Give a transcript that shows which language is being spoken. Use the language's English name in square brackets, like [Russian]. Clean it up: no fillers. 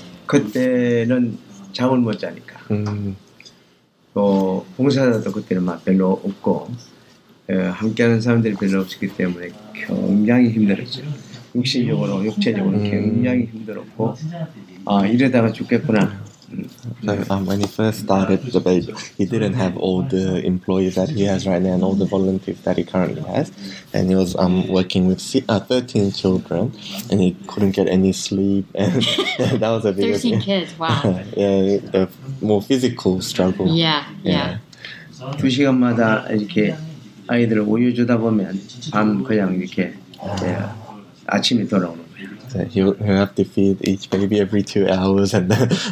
[Korean] 그때는 잠을 못 자니까 또 봉사자도 그때는 막 별로 없고 함께하는 사람들이 별로 없었기 때문에 굉장히 힘들었죠. 육신적으로, 육체적으로 굉장히 힘들었고 아 이러다가 죽겠구나. [English] So when he first started the baby, he didn't have all the employees that he has right now and all the volunteers that he currently has. And he was working with 13 children and he couldn't get any sleep. And that was a big 13 thing. Kids, wow. Yeah, the more physical struggle. Yeah. [Korean] 2시간마다 이렇게 아이들을 우유 주다 보면 밤 그냥 이렇게 아침이 돌아오는. [English] He'll have to feed each baby every 2 hours, and then